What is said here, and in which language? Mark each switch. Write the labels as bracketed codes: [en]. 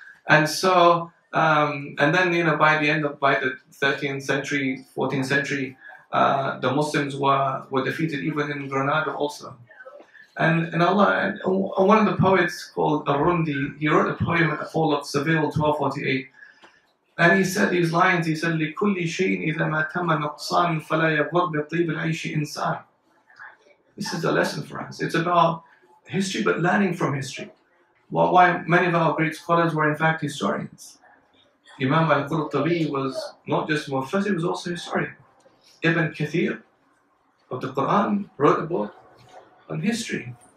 [en] And so, and then, you know, by the 13th century, 14th century, the Muslims were defeated even in Granada also. And Allah, and one of the poets called Al-Rundi, he wrote a poem at the fall of Seville, 1248. And he said these lines, he said, [ar] لِكُلِّ شَيْءٍ إِذَا مَا تَمَّ نُقْصَانٍ فَلَا يَبْغَرْ بِطِيبِ الْعَيْشِ إِنْسَانٍ. [en] This is a lesson for us. It's about history, but learning from history. Why many of our great scholars were in fact historians. Imam Al-Qurtubi was not just Mufassir, he was also a historian. Ibn Kathir of the Quran wrote a book on history.